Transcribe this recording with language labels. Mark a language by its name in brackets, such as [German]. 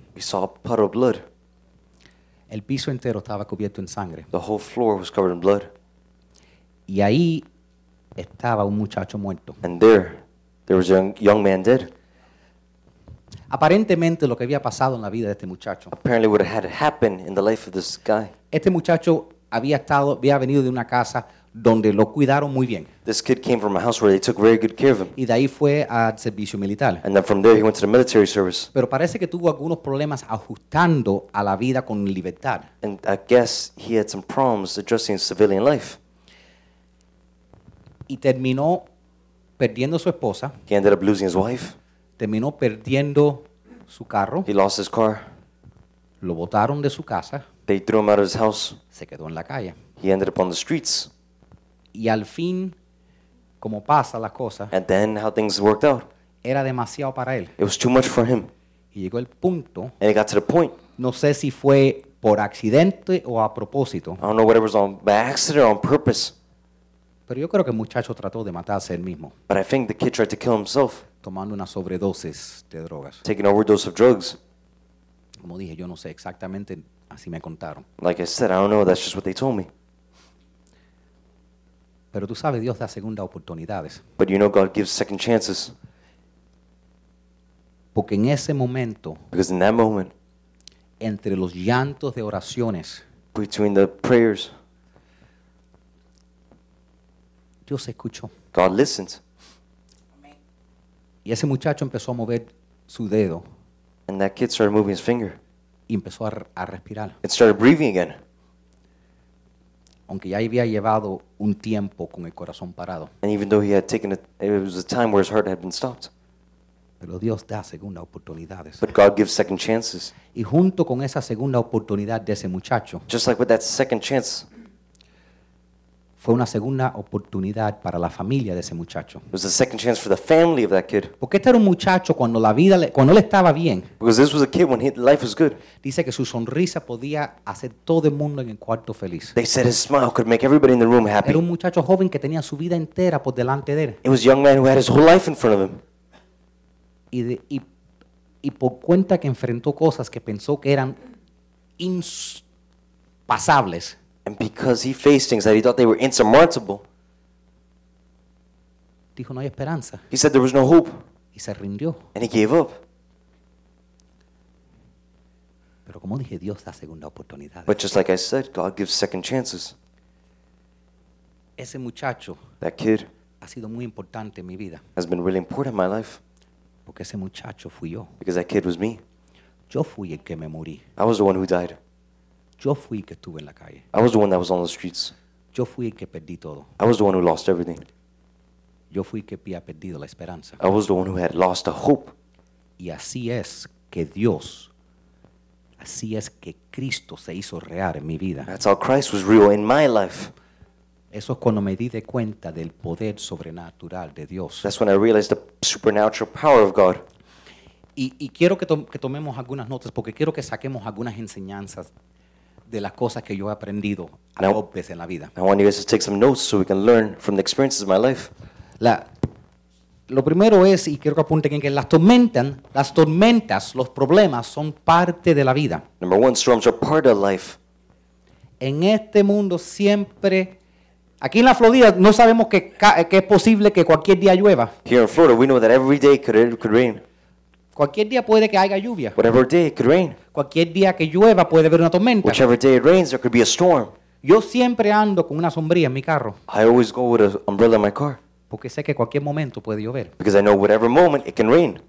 [English] He saw a puddle of blood. [Spanish] El piso entero estaba cubierto en sangre. [English] The whole floor was covered in blood. [Spanish] Y ahí estaba un muchacho muerto. [English] And there was a young man dead. [Spanish] Aparentemente lo que había pasado en la vida de este muchacho. [English] Apparently what had happened in the life of this guy. [Spanish] Este muchacho había venido de una casa donde lo cuidaron muy bien. [English] This kid came from a house where they took very good care of him. [Spanish] Y de ahí fue al servicio militar. [English] And then from there he went to the military service. [Spanish] Pero parece que tuvo algunos problemas ajustando a la vida con libertad. [English] And I guess he had some problems adjusting civilian life. [Spanish] Y terminó perdiendo su esposa. [English] He ended up losing his wife. [Spanish] Terminó perdiendo su carro. [English] He lost his car. [Spanish] Lo botaron de su casa. [English] They threw him out of his house. [Spanish] Se quedó en la calle. [English] He ended up on the streets. [Spanish] Y al fin, como pasa la cosa. [English] And then how things worked out. [Spanish] Era demasiado para él. [English] It was too much for him. [Spanish] Y llegó el punto. [English] And it got to the point. [Spanish] No sé si fue por accidente o a propósito. [English] I don't know whether it was by accident or on purpose. [Spanish] Pero yo creo que el muchacho trató de matarse él mismo. [English] But I think the kid tried to kill himself. [Spanish] Tomando una sobredosis de drogas. [English] Taking an overdose of drugs. [Spanish] Como dije, yo no sé exactamente, así me contaron. [English] Like I said, I don't know, that's just what they told me. [Spanish] Pero tú sabes, Dios da segunda oportunidades. [English] But you know God gives second chances. [Spanish] Porque en ese momento. [English] Because in that moment. [Spanish] Entre los llantos de oraciones. [English] Between the prayers. [Spanish] Dios escuchó. [English] God listens. [Spanish] Y ese muchacho empezó a mover su dedo. [English] And that kid started moving his finger. [Spanish] Y empezó a respirar. [English] It started breathing again. [Spanish] Aunque ya había llevado un tiempo con el corazón parado. [English] And even though he had taken it was a time where his heart had been stopped. [Spanish] Pero Dios da segunda oportunidades. [English] But God gives second chances. [Spanish] Y junto con esa segunda oportunidad de ese muchacho. [English] Just like with that second chance. [Spanish] Fue una segunda oportunidad para la familia de ese muchacho. [English] It was a second chance for the family of that kid. [Spanish] Porque este era un muchacho cuando la vida cuando él estaba bien. [English] Because this was a kid when life was good. [Spanish] Dice que su sonrisa podía hacer todo el mundo en el cuarto feliz. [English] They said his smile could make everybody in the room happy. [Spanish] Era un muchacho joven que tenía su vida entera por delante de él. [English] It was a young man who had his whole life in front of him. [Spanish] Y por cuenta que enfrentó cosas que pensó que eran impasables. [English] And because he faced things that he thought they were insurmountable. [Spanish] Dijo, no hay esperanza. [English] He said there was no hope. [Spanish] Y se rindió. [English] And he gave up. [Spanish] Pero como dije, Dios da segunda oportunidad. [English] But just like I said, God gives second chances. [Spanish] Ese muchacho. [English] That kid. [Spanish] Ha sido muy importante en mi vida. [English] Has been really important in my life. [Spanish] Porque ese muchacho fui yo. [English] Because that kid was me. [Spanish] Yo fui el que me morí. [English] I was the one who died. [Spanish] Yo fui que estuve en la calle. [English] I was the one that was on the streets. [Spanish] Yo fui que perdí todo. [English] I was the one who lost everything. [Spanish] Yo fui que había perdido la esperanza. [English] I was the one who had lost the hope. [Spanish] Y así es que Dios, así es que Cristo se hizo real en mi vida. [English] That's how Christ was real in my life. [Spanish] Eso es cuando me di de cuenta del poder sobrenatural de Dios. [English] That's when I realized the supernatural power of God. [Spanish] Y quiero que tomemos algunas notas porque quiero que saquemos algunas enseñanzas de las cosas que yo he aprendido a veces en la vida. [English] I want you guys to take some notes so we can learn from the experiences of my life. [Spanish] Lo primero es, y quiero que apunten en que las tormentas, los problemas son parte de la vida. [English] Number one, storms are part of life. [Spanish] En este mundo siempre, aquí en la Florida no sabemos que es posible que cualquier día llueva. [English] Here in Florida we know that every day could rain. [Spanish] Cualquier día puede que haya lluvia. [English] Whatever day, it could rain. [Spanish] Cualquier día que llueva puede haber una tormenta. [English] Whichever day it rains, there could be a storm. [Spanish] Yo siempre ando con una sombrilla en mi carro. [English] I always go with an umbrella in my car. [Spanish] Porque sé que cualquier momento puede llover. [English] Because I know whatever moment, it can rain.